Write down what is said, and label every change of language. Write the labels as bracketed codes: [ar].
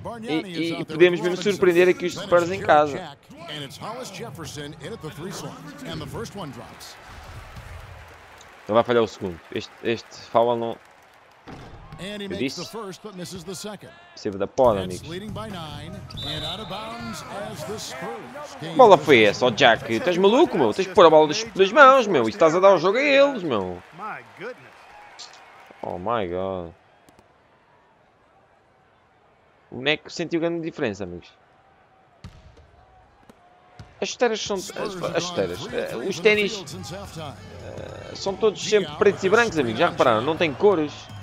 [pt] E podemos mesmo surpreender aqui os Spurs em casa. [en] And it's Hollis Jefferson in at the three slots, and the first one drops. [pt] Ele vai falhar o segundo. Este foul não. [en] And he makes the first, but misses the second. [pt] Percebe da poda, amigos. [en] Leading by nine, and out of bounds as the Spurs. [pt] Que bola foi essa, oh Jack? Estás maluco, meu? Tens que pôr a bola das mãos, meu. E estás a dar o jogo a eles, meu. [en] My goodness. Oh my god. [pt] O boneco sentiu grande diferença, amigos. Os ténis são todos sempre pretos e brancos, amigos. Já repararam? Não tem cores.